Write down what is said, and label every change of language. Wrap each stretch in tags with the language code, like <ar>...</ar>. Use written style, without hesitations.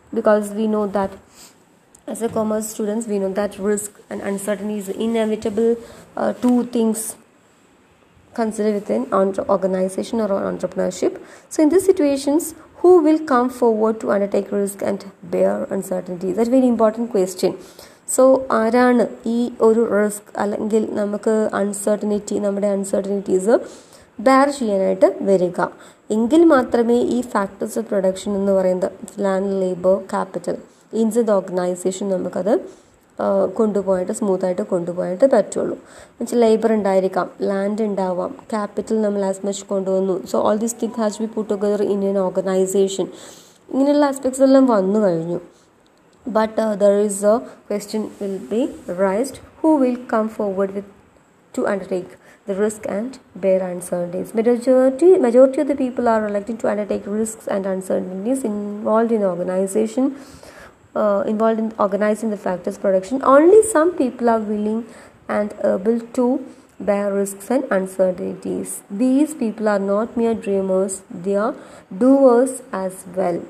<en>Because we know that as a commerce students, we know that risk and uncertainty is inevitable two things considered within organization or entrepreneurship. So in these situations, who will come forward to undertake risk and bear uncertainty? That's a very important question.</en> <ml>So, ആരാണ് ഈ ഒരു risk അല്ലെങ്കിൽ നമുക്ക് uncertainty നമ്മുടെ uncertainties bear ചെയ്യാനായിട്ട് വരിക എങ്കിൽ മാത്രമേ ഈ ഫാക്ടേഴ്സ് ഓഫ് പ്രൊഡക്ഷൻ എന്ന് പറയുന്നത്</ml> <en>land labour capital ins the organisation</en> <ml>നമുക്കത് കൊണ്ടുപോകാനായിട്ട് സ്മൂത്തായിട്ട് കൊണ്ടുപോകാനായിട്ട് പറ്റുള്ളൂ മീൻസ് ലേബർ ഉണ്ടായിരിക്കാം ലാൻഡ് ഉണ്ടാവാം ക്യാപിറ്റൽ നമ്മൾ ആസ് മച്ച് കൊണ്ടുവന്നു so all these things has B puttu together in N organisation ഇങ്ങനെയുള്ള ആസ്പെക്ട്സ് എല്ലാം വന്നു കഴിഞ്ഞു</ml> <en>But there is a question will be raised, who will come forward with to undertake the risk and bear uncertainties? Majority of the people are reluctant to undertake risks and uncertainties involved in organization, involved in organizing the factors production. Only some people are willing and able to bear risks and uncertainties. These people are not mere dreamers, they are doers as well.</en>